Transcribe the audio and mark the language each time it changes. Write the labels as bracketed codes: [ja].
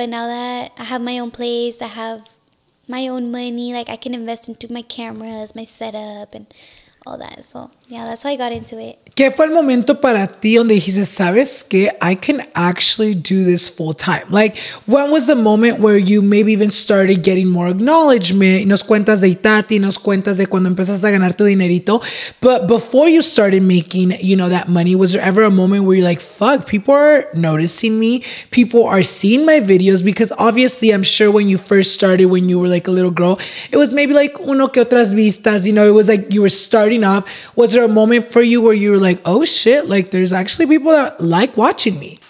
[en] But now that I have my own place, I have my own money, like I can invest into my cameras, my setup and all that. So yeah, that's how I got into it. [es] ¿Qué fue el momento para ti donde dijiste, sabes que [en] I can actually do this full time? Like, when was the moment where you maybe even started getting more acknowledgement? [es] Nos cuentas de Itati, nos cuentas de cuando empezaste a ganar tu dinerito. [en] But before you started making, you know, that money, was there ever a moment where you're like, fuck, people are noticing me? People are seeing my videos? Because obviously, I'm sure when you first started, when you were like a little girl, it was maybe like [es] uno que otras vistas. [en] You know, it was like you were starting off. Was there a moment for you where you were like, oh shit, like there's actually people that like watching me?